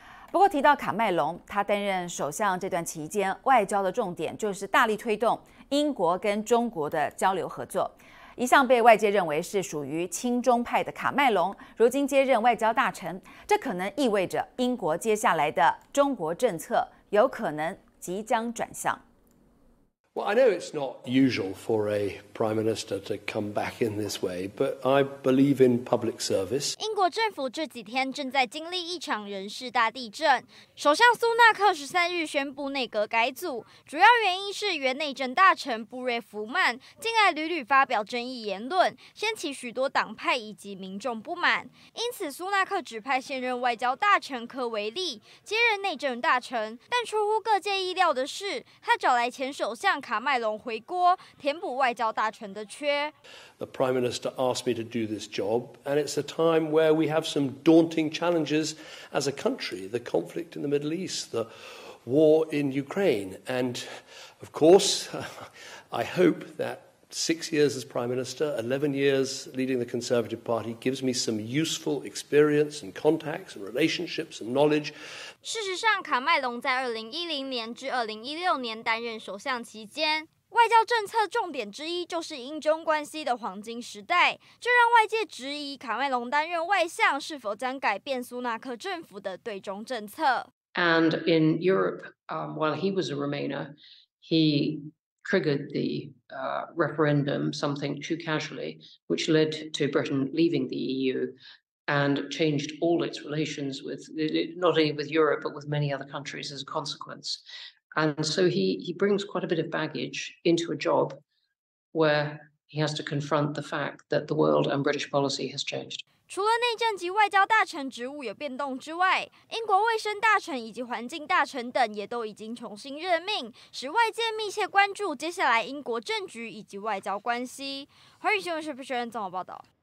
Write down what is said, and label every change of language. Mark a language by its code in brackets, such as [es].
[zh] 不过提到卡麦隆，他担任首相这段期间，外交的重点就是大力推动英国跟中国的交流合作。一向被外界认为是属于亲中派的卡麦隆，如今接任外交大臣，这可能意味着英国接下来的中国政策有可能即将转向。 [en] Well, I know it's not usual for a prime minister to come back in this way, but I believe in public service. [zh] 英国政府这几天正在经历一场人事大地震。首相苏纳克十三日宣布内阁改组，主要原因是原内政大臣布瑞弗曼近来屡屡发表争议言论，掀起许多党派以及民众不满。因此，苏纳克指派现任外交大臣科维利接任内政大臣。但出乎各界意料的是，他找来前首相卡麦隆回锅，填补外交大臣的缺。 [en] The Prime Minister asked me to do this job, and it's a time where we have some daunting challenges as a country. The conflict in the Middle East, the war in Ukraine, and of course, I hope that 6 years as Prime Minister, 11 years leading the Conservative Party, gives me some useful experience and contacts and relationships and knowledge. [zh] 事实上，卡麦隆在2010年至2016年担任首相期间，外交政策重点之一就是英中关系的黄金时代，这让外界质疑卡麦隆担任外相是否将改变苏纳克政府的对中政策。 [en] And in Europe, while he was a Remainer, he triggered the referendum something too casually, which led to Britain leaving the EU. And changed all its relations with not only with Europe but with many other countries as a consequence. And so he brings quite a bit of baggage into a job where he has to confront the fact that the world and British policy has changed. [zh] 除了内政及外交大臣职务有变动之外，英国卫生大臣以及环境大臣等也都已经重新任命，使外界密切关注接下来英国政局以及外交关系。华语新闻社评学人综合报道。